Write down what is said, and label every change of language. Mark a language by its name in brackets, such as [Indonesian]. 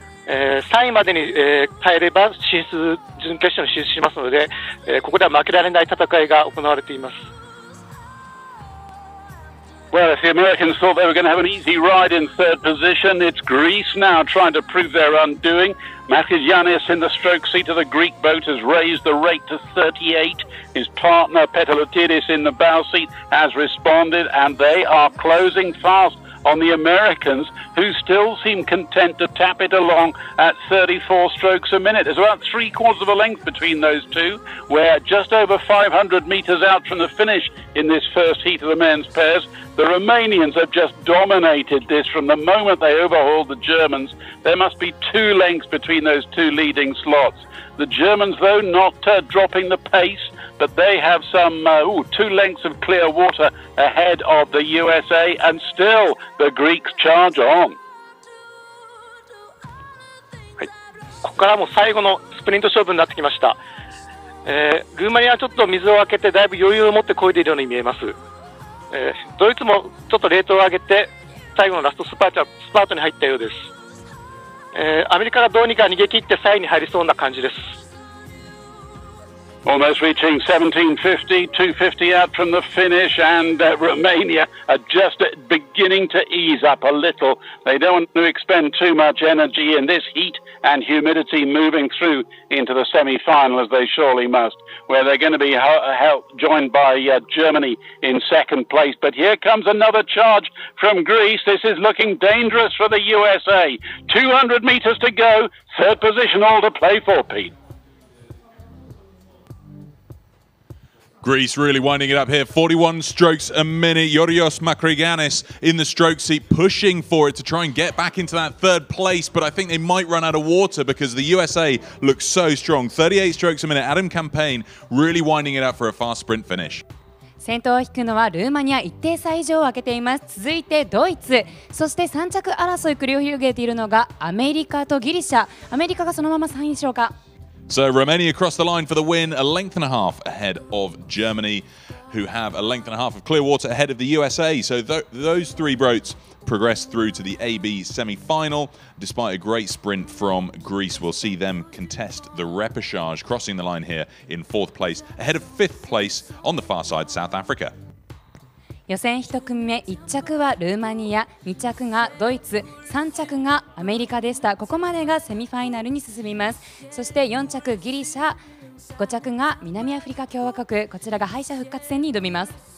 [Japanese] 3位までに、耐えれば進出準決勝に進出しますので、ここでは負けられない戦いが行われています。 [English] Well, if the Americans thought they were going to have an easy ride in third position, it's Greece now trying to prove their undoing. Makis in the stroke seat of the Greek boat has raised the rate to 38. His partner Petalotidis in the bow seat has responded, and they are closing fast on the Americans, who still seem content to tap it along at 34 strokes a minute. There's about three quarters of a length between those two. We're just over 500 meters out from the finish in this first heat of the men's pairs. The Romanians have just dominated this from the moment they overhauled the Germans. There must be two lengths between those two leading slots. The Germans, though, not dropping the pace, but they have some two lengths of clear water ahead of the USA, and still the Greeks charge on. [Japanese] はい、ここからも最後のスプリント勝負になってきました。ルーマニアはちょっと水を開けてだいぶ余裕を持って漕いでいるように見えます。ドイツもちょっとレートを上げて最後のラストスパートに入ったようです。アメリカがどうにか逃げ切って3位に入りそうな感じです。 [English] Almost reaching 17:50, 2:50 out from the finish, and Romania are just beginning to ease up a little. They don't want to expend too much energy in this heat and humidity moving through into the semi-final, as they surely must, where they're going to be joined by Germany in second place. But here comes another charge from Greece. This is looking dangerous for the USA. 200 meters to go, third position all to play for, Pete. Greece really winding it up here, 41 strokes a minute. Yorios Makriganis in the stroke seat, pushing for it to try and get back into that third place, but I think they might run out of water because the USA looks so strong. 38 strokes a minute. Adam Campaign really winding it up for a fast sprint finish. [Japanese] 先頭を引くのはルーマニア、一定差以上を開けています。続いてドイツ、そして3着争い繰り広げているのがアメリカとギリシャ。アメリカがそのまま3位でしょうか。 [English] So Romania across the line for the win, a length and a half ahead of Germany, who have a length and a half of Clearwater ahead of the USA. So those three boats progress through to the AB semi-final, despite a great sprint from Greece. We'll see them contest the repechage, crossing the line here in fourth place, ahead of fifth place on the far side, South Africa. [Japanese] 予選1組目、1着はルーマニア、2着がドイツ、3着がアメリカでした。ここまでがセミファイナルに進みます。そして4着ギリシャ、5着が南アフリカ共和国、こちらが敗者復活戦に挑みます。